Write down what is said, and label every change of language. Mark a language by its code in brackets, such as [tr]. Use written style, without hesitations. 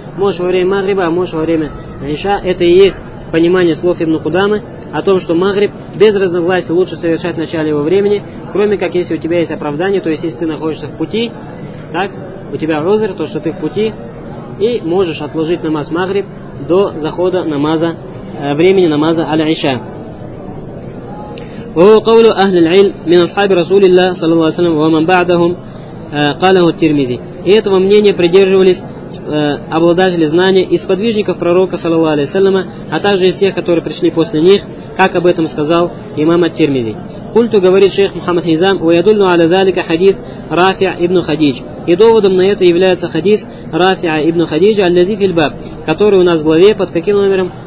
[ru] Можешь во время Магриба, а можешь во время Иша. Это и есть понимание слов Ибн Кудамы о том, что Магриб без разногласий лучше совершать в начале его времени, кроме как если у тебя есть оправдание, то есть если ты находишься в пути, так, у тебя узр, то что ты в пути, и можешь отложить намаз Магриб до захода намаза, времени намаза Аль-Иша. [ar] وهو قول أهل العلم من أصحاب رسول الله صلى الله عليه وسلم ومن بعدهم قاله الترمذي. [ru] И этого мнения придерживались обладатели знания из подвижников пророка, саллаллаху алейхи ва саллям, а также из тех, которые пришли после них, как об этом сказал имам ат-Тирмизи. Культу говорит шейх Мухаммад Хизам, [ar] «Уядульну аля залика хадис Рафи' ибн Хадидж». [ru] И доводом на это является хадис Рафи'а ибн Хадиджа, [ar] «Аллязи филь баб», [ru] который у нас в главе под каким номером?